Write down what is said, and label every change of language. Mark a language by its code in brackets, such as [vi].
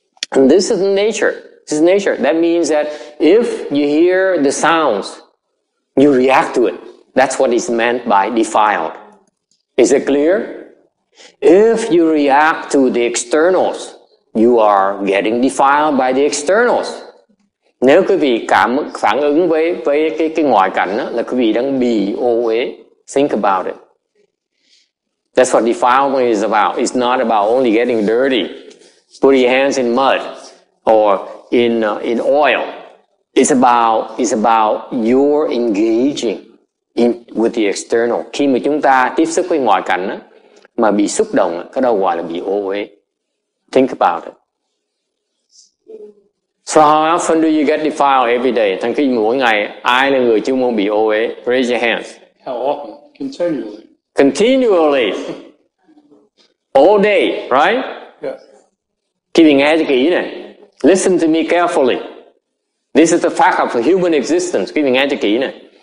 [en] And this is nature. This is nature. That means that if you hear the sounds, you react to it. That's what is meant by defiled. Is it clear? If you react to the externals, you are getting defiled by the externals. [vi] Nếu quý vị phản ứng với cái ngoại cảnh đó, là quý vị đang bị ô uế. [en] Think about it. That's what defilement is about. It's not about only getting dirty, putting your hands in mud, or in oil. It's about your engaging with the external. [vi] Khi mà chúng ta tiếp xúc với ngoại cảnh đó, mà bị xúc động, cái đó gọi là bị ô uế. [en] Think about it. So how often do you get defiled every day? [vi] Thành khi mỗi ngày, ai là người chuyên môn bị ô uế? [en] Raise your hands. How often? Continually. Continually. All day, right? Yes. [vi] Khi mình nghe cho kỹ này. [en] Listen to me carefully. This is the fact of human existence. [vi] Khi mình nghe cho kỹ này.